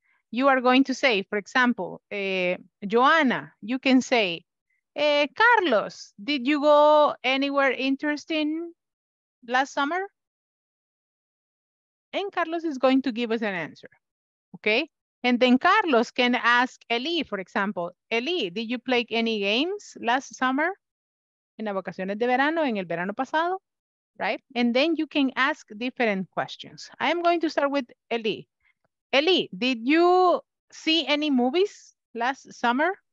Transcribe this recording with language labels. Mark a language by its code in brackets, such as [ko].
[en] You are going to say, for example, Joanna, you can say, Carlos, did you go anywhere interesting last summer? And Carlos is going to give us an answer, okay? And then Carlos can ask Eli, for example, Eli, did you play any games last summer? [es] En las vacaciones de verano, en el verano pasado, right? [en] And then you can ask different questions. I am going to start with Eli. Eli, did you see any movies last summer?